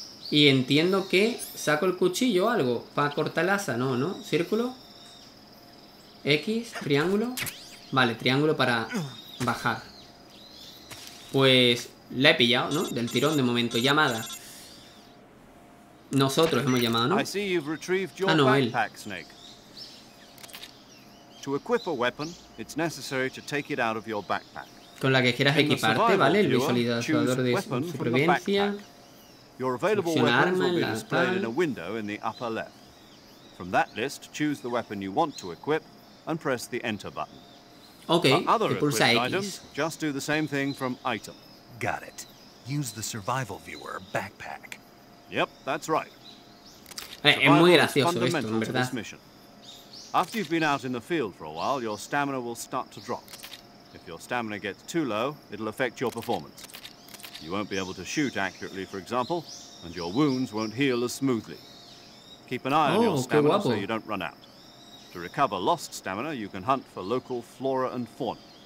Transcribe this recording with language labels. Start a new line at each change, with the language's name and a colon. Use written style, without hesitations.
Spanish: Y entiendo que saco el cuchillo o algo para cortar el asa, ¿no? ¿No? Círculo. X, triángulo. Vale, triángulo para bajar. Pues la he pillado, ¿no? Del tirón de momento, llamada. Nosotros hemos llamado, ¿no? A Noel.
English: To equip a weapon, it's necessary to take it out of your backpack.
Spanish: Con la que quieras equiparte, ¿vale? El visualizador de supervivencia.
English: Your available weapons will be displayed in a window in the upper left. From that list, choose the weapon you want to equip and press the enter button. Okay, other equipped items, just do the same thing from item. Got it. Use the survival viewer backpack. Yep, that's right.
Spanish: Es muy gracioso esto, en verdad.
English: After you've been out in the field for a while, your stamina will start to drop. If your stamina gets too low, it'll affect your performance. You won't be able to shoot accurately, for example, and your wounds won't heal as smoothly. Keep an eye on your stamina so you don't run out. To recover lost stamina, you can hunt for local flora and fauna.